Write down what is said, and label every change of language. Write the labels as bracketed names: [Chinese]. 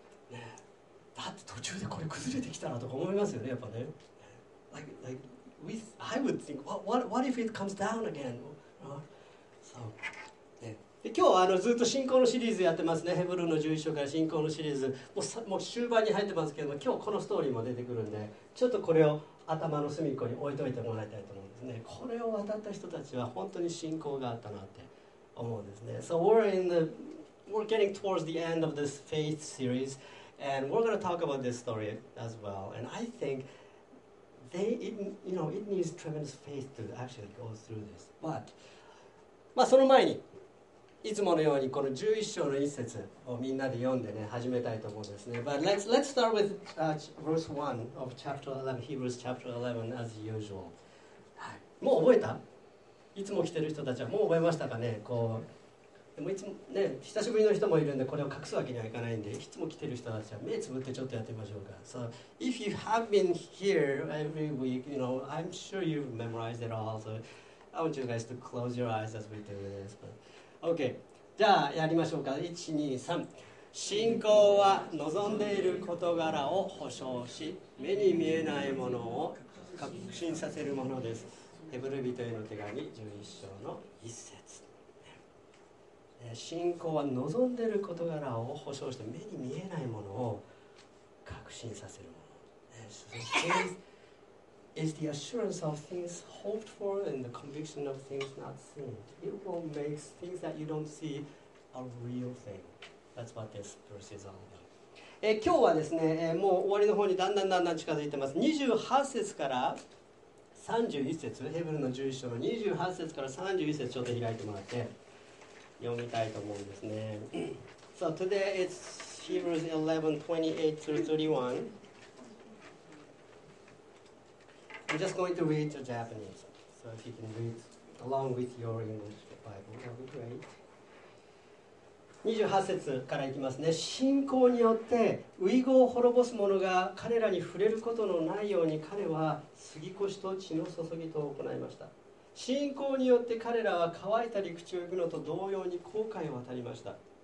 [Japanese] だって途中でこれ崩れてきたらとか思いますよね、やっぱね。 [English] I would think, what if it comes down again? [Japanese] So, ね、で今日はあのずっと信仰のシリーズやってますね。ヘブルの11章から信仰のシリーズ。もう終盤に入ってますけども、今日このストーリーも出てくるんで、ちょっとこれを頭の隅っこに置いといてもらいたいと思うんですね。これを渡った人たちは本当に信仰があったなって思うんですね。 [English] So we're getting towards the end of this faith series, and we're going to talk about this story as well. And I think it needs tremendous faith to actually go through this. [Japanese] But まあその前にいつものようにこの11章の一節をみんなで読んでね始めたいと思うんですね。 [English] But let's start with verse 1 of chapter 11, Hebrews chapter 11 as usual、 [Japanese] はい、もう覚えた？いつも来てる人たちはもう覚えましたかね？こうでもいつもね久しぶりの人もいるんでこれを隠すわけにはいかないんで、いつも来てる人たちは目つぶってちょっとやってみましょうか。 [English] So if you have been here every week, you know, I'm sure you've memorized it all, so I want you guys to close your eyes as we do this, butOK、 [Japanese] じゃあやりましょうか。 1、2、3。信仰は望んでいる事柄を保証し、目に見えないものを確信させるものです。ヘブル人への手紙11章の1節。信仰は望んでいる事柄を保証して、目に見えないものを確信させるもの。 [English] says, faith is the assurance of things hoped for and the conviction of things not seen. It will make things that you don't see a real thing. That's what this verse is all about. [Japanese] 今日はですね、もう終わりの方にだんだんだんだん近づいてます。 28節から31節、ヘブルの11章の28節から31節ちょっと開いてもらって読みたいと思うんですね。 [English] So today it's Hebrews 11:28-31. I'm just going to read to Japanese. So if you can read along with your English Bible, that would be great. [Japanese] 28節からいきますね。信仰によってウイゴを滅ぼす者が彼らに触れることのないように彼は杉越と血の注ぎと行いました。信仰によって彼らは乾いた陸地を行くのと同様に航海を渡りました。